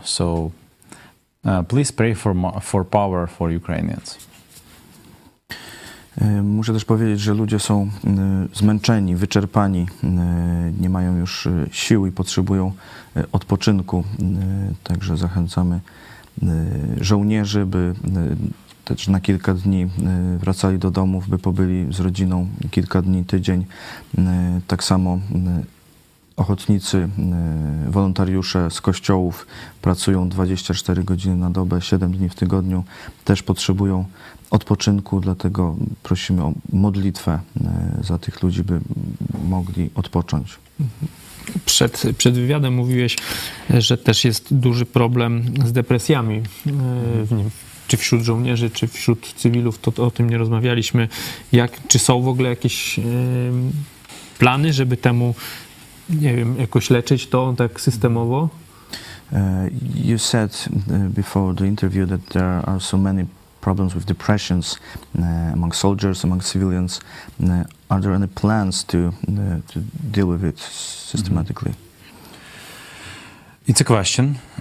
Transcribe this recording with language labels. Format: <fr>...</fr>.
<en>So please pray for power for Ukrainians.</en> <pl>Muszę też powiedzieć, że ludzie są zmęczeni, wyczerpani, nie mają już sił i potrzebują odpoczynku. Także zachęcamy żołnierzy, by też na kilka dni wracali do domów, by pobyli z rodziną kilka dni, tydzień. Tak samo ochotnicy, wolontariusze z kościołów pracują 24 godziny na dobę, 7 dni w tygodniu, też potrzebują odpoczynku, dlatego prosimy o modlitwę za tych ludzi, by mogli odpocząć. Przed wywiadem mówiłeś, że też jest duży problem z depresjami w nim. Czy wśród żołnierzy, czy wśród cywilów, to o tym nie rozmawialiśmy. Czy są w ogóle jakieś plany, żeby temu, nie wiem, jakoś leczyć to tak systemowo?</pl> <en>You said before the interview that there are so many problems with depressions among soldiers, among civilians. Are there any plans to deal with it systematically? It's a question.</en>